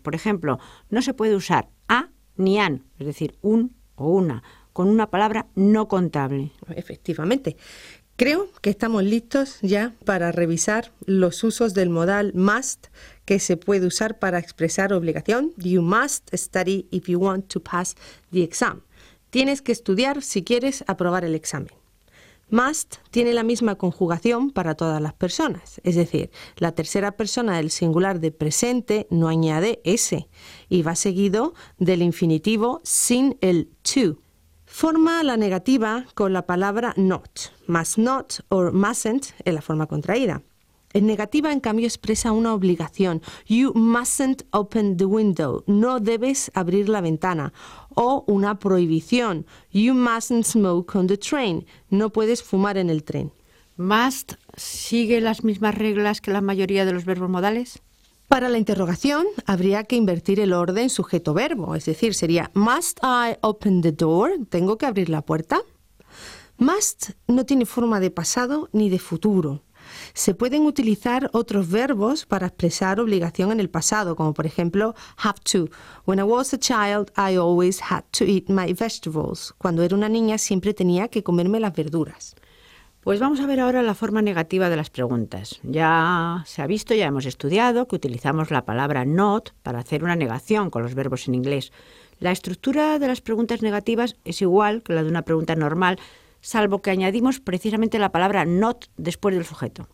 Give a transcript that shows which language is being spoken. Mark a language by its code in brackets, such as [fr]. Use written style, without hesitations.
[es] Por ejemplo, no se puede usar a ni an, es decir, un o una, con una palabra no contable. Efectivamente. Creo que estamos listos ya para revisar los usos del modal must que se puede usar para expresar obligación. [en] You must study if you want to pass the exam. [es] Tienes que estudiar si quieres aprobar el examen. Must tiene la misma conjugación para todas las personas. Es decir, la tercera persona del singular de presente no añade s y va seguido del infinitivo sin el to. Forma la negativa con la palabra not, must not or mustn't en la forma contraída. En negativa, en cambio, expresa una obligación. [en] You mustn't open the window. [es] No debes abrir la ventana. O una prohibición. [en] You mustn't smoke on the train. [es] No puedes fumar en el tren. ¿Must sigue las mismas reglas que la mayoría de los verbos modales? Para la interrogación, habría que invertir el orden sujeto-verbo. Es decir, sería [en] must I open the door? [es] ¿Tengo que abrir la puerta? Must no tiene forma de pasado ni de futuro. Se pueden utilizar otros verbos para expresar obligación en el pasado, como por ejemplo, have to. [en] When I was a child, I always had to eat my vegetables. [es] Cuando era una niña, siempre tenía que comerme las verduras. Pues vamos a ver ahora la forma negativa de las preguntas. Ya se ha visto, ya hemos estudiado, que utilizamos la palabra not para hacer una negación con los verbos en inglés. La estructura de las preguntas negativas es igual que la de una pregunta normal, salvo que añadimos precisamente la palabra not después del sujeto.